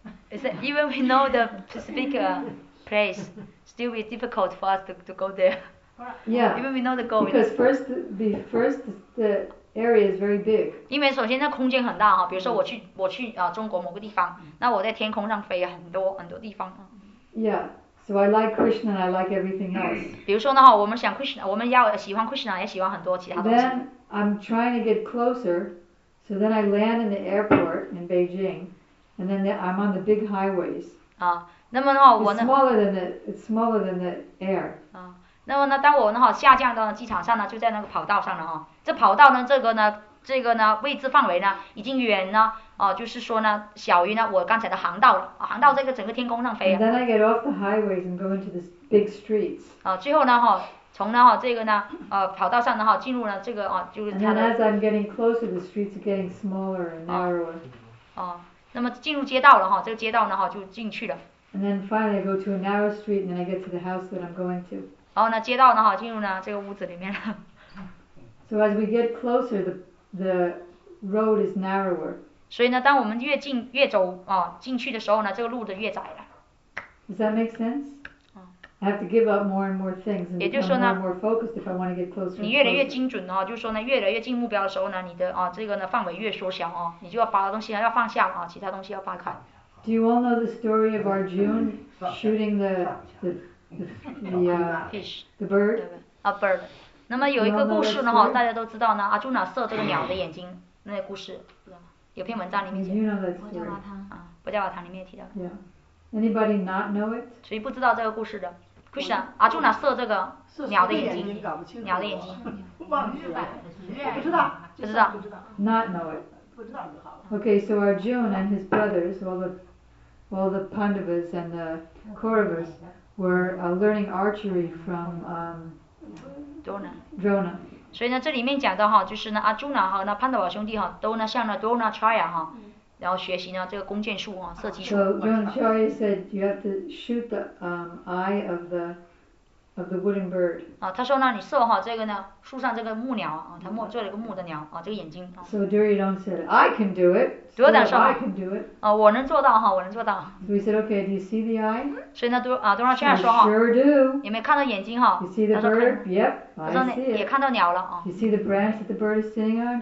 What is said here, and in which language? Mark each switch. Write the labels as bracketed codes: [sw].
[en] Is that even we know the specific place, still be difficult for us to go there. Yeah. Even we know the goal. Because first, the first, the area is very big. [zh] 因为首先那空间很大哈，比如说我去中国某个地方，那我在天空上飞很多很多地方。 [en] Yeah. So I like Krishna and I like everything else. [zh] 比如说呢哈，我们想 Krishna， 我们要喜欢 Krishna， 也喜欢很多其他东西。 [en] Then I'm trying to get closer, so then I land in the airport in Beijing, and then I'm on the big highways. [zh] 啊，那么的话，我呢 [en] It's smaller than the air. [zh] 啊，那么呢，当我呢哈下降到机场上呢，就在那个跑道上了哈。这跑道呢，这个呢位置范围呢，已经远呢。哦，就是说呢，小于呢我刚才的航道了，航道这个整个天空上飞啊。 [en] And then I get off the highways and go into the big streets. [zh] 啊，最后呢哈，从呢哈这个呢，跑道上呢哈，进入了这个啊，就是它的。 [en] And as I'm getting closer, the streets are getting smaller and narrower. [zh] 哦，那么进入街道了哈，这个街道呢哈就进去了。 [en] And then finally I go to a narrow street and then I get to the house that I'm going to. [zh] 然后呢，街道呢哈，进入了这个屋子里面了。 [en] So as we get closer, the road is narrower. [zh] 所以呢，当我们越近越走啊、哦、进去的时候呢，这个路就越窄了。 [en] Does that make sense? I have to give up more and more things and become more and more focused if I want to get closer. [zh] 你越来越精准哦，就是说呢，越来越近目标的时候呢，你的啊、哦、这个呢范围越缩小哦，你就要把东西要放下啊、哦，其他东西要放开。 [en] Do you all know the story of Arjuna shooting the bird? A bird. [zh] 那么有一个故事呢哈，大家都知道呢，阿朱纳射这个鸟的眼睛那个故事。有篇文章里面讲，佛教瓦唐里面也提到。 [en] Yeah. Anybody not know it? [zh] 谁不知道这个故事的 ？Krishna， 阿朱那射这个鸟的眼睛，鸟的眼睛。忘记了，不知道。不知道。 [en] Not know it. [zh] 不知道就好了。 [en] Okay, so Arjuna and his brothers, all the Pandavas and the Kauravas, were learning archery from Drona. Drona. [zh] 所以呢，这里面讲到哈，就是呢，阿朱那和那潘多瓦兄弟哈，都呢向那 Dronacharya 哈，然后学习呢这个弓箭术哈，射击术。 [en] So Dronacharya said you have to shoot the eye of the wooden bird. [zh] 啊，他说呢，你射哈这个呢，树上这个木鸟啊，他木做了一个木的鸟啊，这个眼睛。 [en] So Duryodhana said I can do it. [zh] 多胆说。 [en] I can do it. [zh] 啊，我能做到哈，我能做到。 [en] So he said, okay, do you see the eye? [zh] 所以呢，Dronacharya 说哈。 [en] Sure do. [zh] 也没看到眼睛哈。 [en] You see the bird? Yep. I see it. [zh] 也看到鸟了啊。 [en] You see the branch that the bird is sitting on?